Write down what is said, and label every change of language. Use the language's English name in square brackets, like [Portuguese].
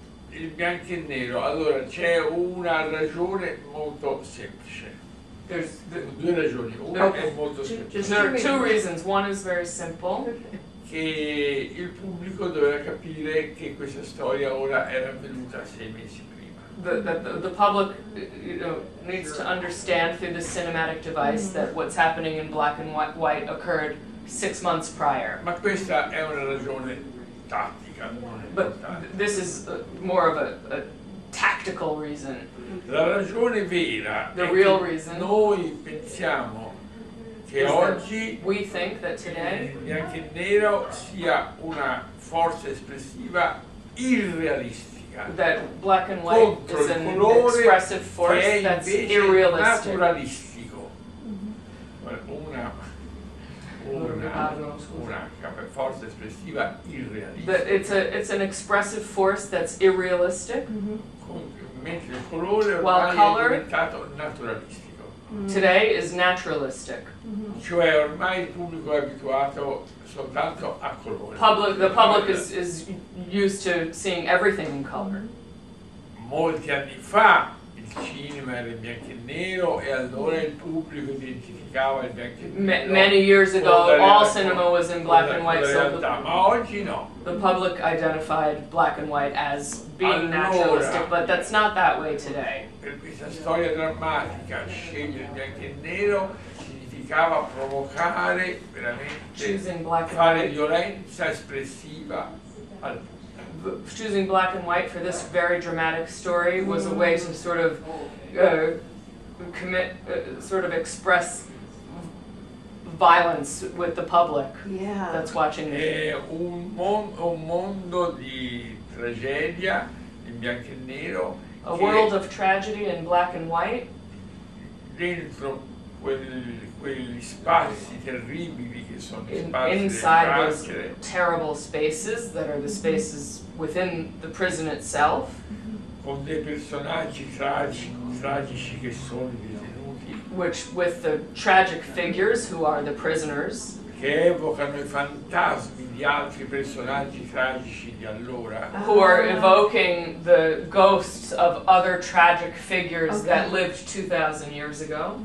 [Italian] Il bianco e nero, allora c'è una ragione molto semplice. Due ragioni, una è molto semplice. [English] There are two reasons, one is very simple. [Italian] Che il pubblico doveva capire che questa storia ora era avvenuta sei mesi prima. [English] The public needs to understand through the cinematic device that what's happening in black and white occurred 6 months prior. [Italian] Ma questa è una ragione tattica. [English] But this is more of a tactical reason. [Italian] La ragione vera. [English] The real reason. [Italian] Noi pensiamo che oggi. [English] We think that today. [Italian] Bianco e nero sia una forza espressiva irrealistica. [English] That black and white is an expressive force that's irrealistic. [Italian] Naturalistico. Una forza espressiva irrealistica. [English] But it's an expressive force that's irrealistic. [Italian] Mentre il colore ormai [English] while color [Italian] è diventato naturalistico. [English] Today is naturalistic. [Italian] Cioè ormai il pubblico è abituato soltanto a colore. [English] The public is used to seeing everything in color. [Italian] Molti anni fa il cinema era in bianco e nero e allora il pubblico identificava il bianco e nero. [English] Many years ago all cinema was in black and white. [Italian] Ma oggi no. [English] The public identified black and white as being naturalistic, but that's not that way today. [Italian] Per questa storia drammatica, scegliere bianco e nero significava provocare veramente, fare violenza espressiva al pubblico. [English] Choosing black and white for this very dramatic story was a way to sort of express violence with the public that's watching the show. [Italian] È un mondo di tragedia. In bianco e nero, [English] a world of tragedy in black and white. [Italian] Dentro quegli spazi terribili che sono gli spazi [English] inside those terrible spaces that are the spaces within the prison itself. [Italian] Con dei personaggi tragici che sono i detenuti. [English] Which with the tragic figures who are the prisoners. [Italian] Che evocano i fantasmi di altri personaggi tragici di allora. [English] Who are evoking the ghosts of other tragic figures that lived 2,000 years ago.